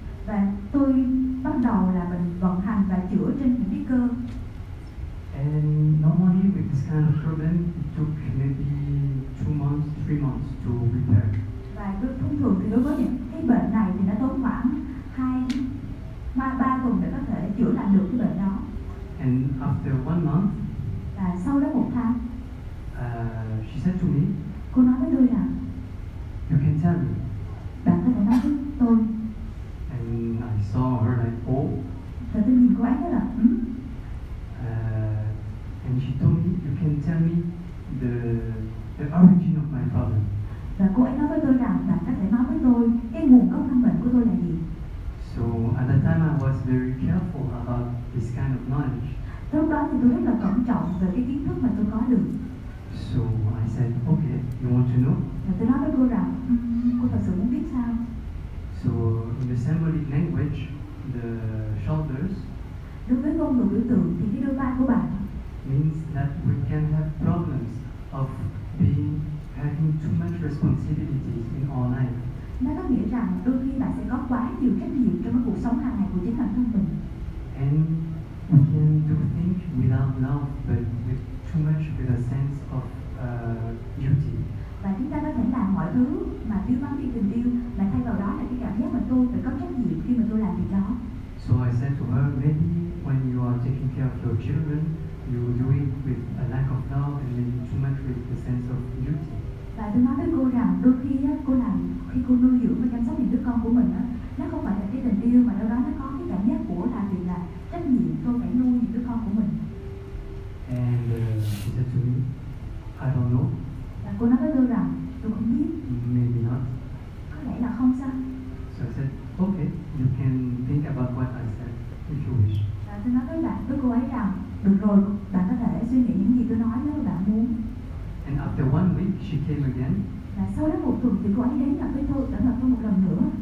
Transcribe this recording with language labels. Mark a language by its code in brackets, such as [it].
[vi] Và tôi bắt đầu là mình vận hành và chữa trên những cái cơ. [en] And normally with this kind of problem, it took maybe 2 months, 3 months to repair. [vi] Và thông thường thì đối với những cái bệnh này thì nó tốn khoảng 2-3 tuần để có thể chữa lành được cái bệnh đó. [en] And after 1 month. [vi] Và sau đó 1 tháng. [en] She said to me. [vi] Cô nói với tôi là. [en] You can tell me. [vi] Bạn có thể nói với tôi. [en] And I saw her like, oh. [vi] Và tôi nhìn cô ấy là, [en] And she told me, you can tell me the origin of my problem. [vi] Và cô ấy nói với tôi rằng, bạn có thể nói với tôi cái nguồn gốc căn bệnh của tôi là gì. [en] So at that time I was very careful about this kind of knowledge. [vi] Lúc đó thì tôi rất là cẩn trọng về cái kiến thức mà tôi có được. [en] So I said, okay, you want to know? [vi] Và tôi nói với cô rằng, cô thật sự muốn biết sao? [en] So in the symbolic language, the shoulders. [vi] Đối với ngôn ngữ biểu tượng thì cái đôi vai của bạn. [en] Means that we can have problems of being having too much responsibilities in our life. [vi] Nó có nghĩa rằng đôi khi bạn sẽ có quá nhiều trách nhiệm trong cuộc sống hàng ngày của chính bản thân mình. [en] And we can do things without love, but with too much with a sense of duty. [vi] Và chúng ta có thể làm mọi thứ mà thiếu vắng đi tình yêu, mà thay vào đó là cái cảm giác mà tôi phải có trách nhiệm khi mà tôi làm việc đó. [en] So I said to her, maybe when you are taking care of your children, you do it with a lack of love and maybe too much with the sense of duty. [vi] Và tôi nói với cô rằng đôi khi cô làm khi cô nuôi dưỡng và chăm sóc những đứa con của mình á, nó không phải là cái tình yêu mà đâu đó nó có cái cảm giác của là việc là trách nhiệm tôi phải nuôi những đứa con của mình. [en] And she said to me, I don't know. [vi] Và cô nói với tôi rằng tôi không biết. [en] Maybe not. [vi] Có lẽ là không sao. [en] So I said, okay, you can think about what I said if you wish. [vi] Và tôi nói với bạn với cô ấy rằng được rồi, bạn có thể suy nghĩ những gì tôi nói nếu bạn muốn. [en] And after 1 week, she came again. [vi] Và sau đó một tuần thì cô ấy đến gặp tôi, đã gặp tôi một lần nữa.